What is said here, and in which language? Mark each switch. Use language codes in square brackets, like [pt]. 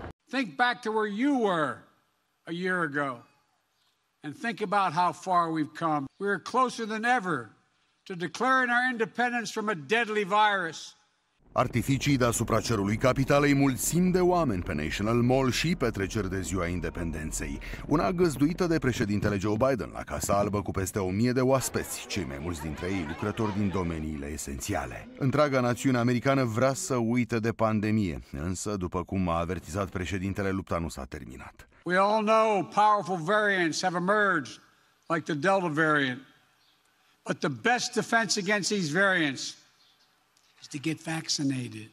[en] Think back to where you were a year ago and think about how far we've come. We are closer than ever to declaring our independence from a deadly virus. [ro] Artificii deasupra cerului capitalei, mulțim de oameni pe National Mall și petreceri de Ziua Independenței. Una găzduită de președintele Joe Biden la Casa Albă cu peste 1000 de oaspeți, cei mai mulți dintre ei lucrători din domeniile esențiale. Întreaga națiune americană vrea să uite de pandemie, însă, după cum a avertizat președintele, lupta nu s-a terminat. [en] We all know powerful variants have emerged, like the Delta variant. But the best defense against these variants to get vaccinated.